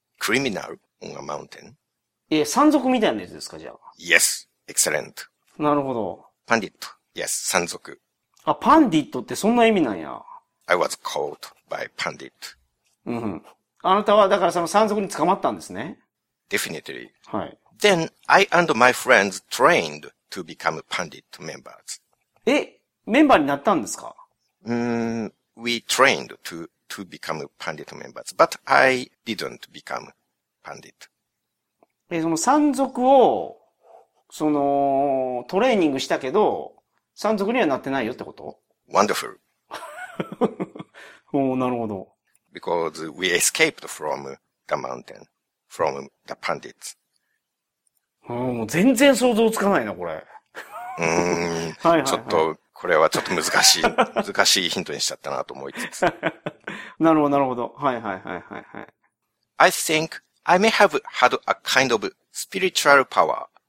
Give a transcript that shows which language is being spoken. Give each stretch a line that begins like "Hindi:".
English: criminal on a mountain.
Japanese: え、山賊みたいなやつですか、じゃあ。
English: Yes, excellent.
Japanese: なるほど。パンディット。
English: Yes,
Japanese: 山賊。あ、パンディットってそんな意味なんや。
English: I was caught by pandit.
Japanese: うん。あなたは、だからその山賊に捕まったんですね。
English: Definitely.
Japanese: はい。
English: Then, I and my friends trained to become pandit members.
Japanese: え、メンバーになったんですか？
English: We trained to become pandit members, but I didn't become pandit.
Japanese: え、その山賊を、その、トレーニングしたけど、山賊にはなってないよってこと？
English: Wonderful.
Japanese: おー、なるほど。
English: Because we escaped from the mountain, from the pandits.
Japanese: もう全然想像つかないな、これ。はいはいはい、ちょっと、これはちょっと難しい、難しいヒントにしちゃったなと思いつつ。なるほど、なるほど。はいはいはいはい。
English: I think I may have had a kind of spiritual power.